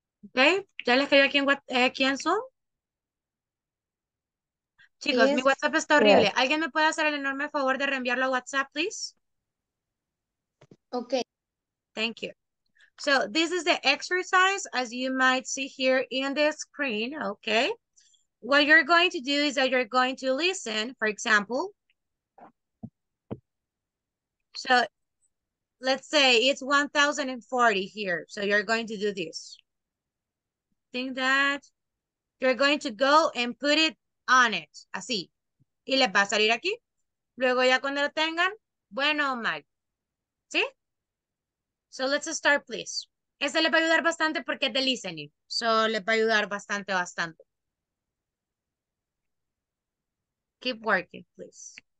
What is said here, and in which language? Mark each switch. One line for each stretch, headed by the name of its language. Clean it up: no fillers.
Spanish: Okay. ¿Ya les cayó aquí en, aquí en Zoom? Chicos, mi WhatsApp está horrible. Yes. ¿Alguien me puede hacer el enorme favor de reenviarlo a WhatsApp, please?
English: Okay. Thank you. So, this is the exercise, as you might see here in the screen, okay? What you're going to do is that you're going to listen, for example. So, let's say it's 1,040 here. So, you're going to do this. Think that you're going to go and put it on it, así.
Spanish: Y les va a salir aquí. Luego ya cuando lo tengan, bueno o mal. ¿Sí?
English: So let's start, please.
Spanish: Este les va a ayudar bastante porque es de listening. So les va a ayudar bastante, bastante.
English: Keep working, please.